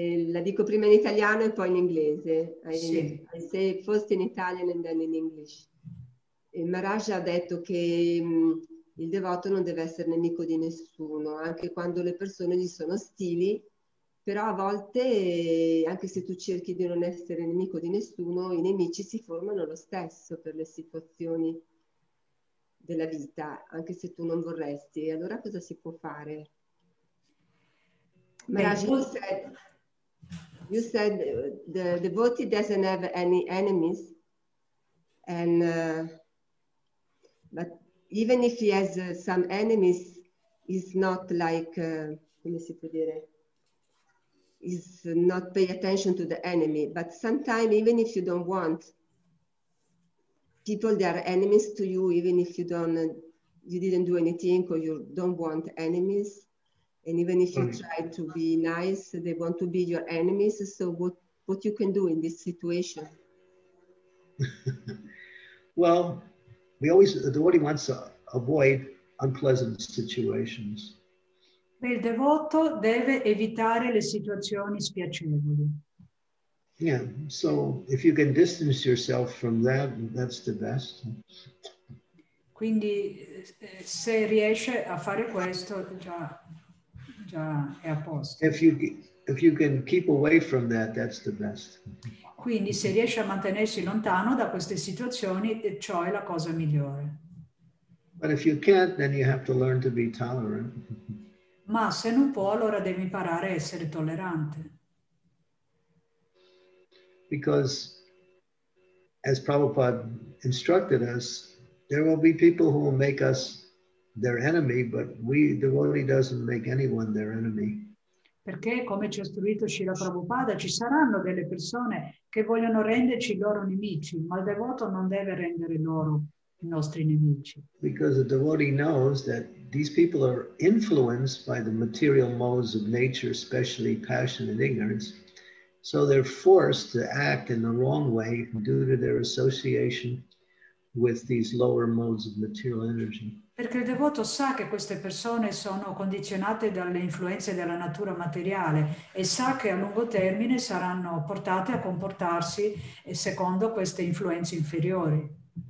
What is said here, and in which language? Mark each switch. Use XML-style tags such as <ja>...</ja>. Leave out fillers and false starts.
<it>La dico prima in italiano e poi in inglese. Sì.</it> <en>I say first in Italian and then in English.</en> <it>E Maharaj ha detto che il devoto non deve essere nemico di nessuno, anche quando le persone gli sono ostili, però a volte, anche se tu cerchi di non essere nemico di nessuno, i nemici si formano lo stesso per le situazioni della vita, anche se tu non vorresti. E allora cosa si può fare?</it> <en>Maharaj, you said the devotee doesn't have any enemies, and but even if he has some enemies, he's not like,</en> <it>come si può dire,</it> <en>he's not pay attention to the enemy. But sometimes, even if you don't want people, they are enemies to you, even if you don't, you didn't do anything or you don't want enemies. And even if you try to be nice, they want to be your enemies. So what you can do in this situation? Well, we always, the devotee wants to avoid unpleasant situations.</en> <it>Il devoto deve evitare le situazioni spiacevoli.</it> <en>Yeah, so if you can distance yourself from that, that's the best.</en> <it>Quindi se riesce a fare questo, già è a posto.</it> <en>If you can keep away from that, that's the best.</en> <it>Quindi se riesce a mantenersi lontano da queste situazioni, ciò è la cosa migliore.</it> <en>But if you can't, then you have to learn to be tolerant.</en> <it>Ma se non può, allora devi imparare a essere tollerante.</it> <en>Because as Prabhupada instructed us, there will be people who will make us their enemy, but we, the devotee doesn't make anyone their enemy.</en> <it>Perché, come ci ha istruito Srila Prabhupada, ci saranno delle persone che vogliono renderci loro nemici, ma il devoto non deve rendere loro i nostri nemici.</it> <en>Because the devotee knows that these people are influenced by the material modes of nature, especially passion and ignorance, so they're forced to act in the wrong way due to their association with these lower modes of material energy.</en> <it>Perché il devoto sa che queste persone sono condizionate dalle influenze della natura materiale e sa che a lungo termine saranno portate a comportarsi secondo queste influenze inferiori.</it>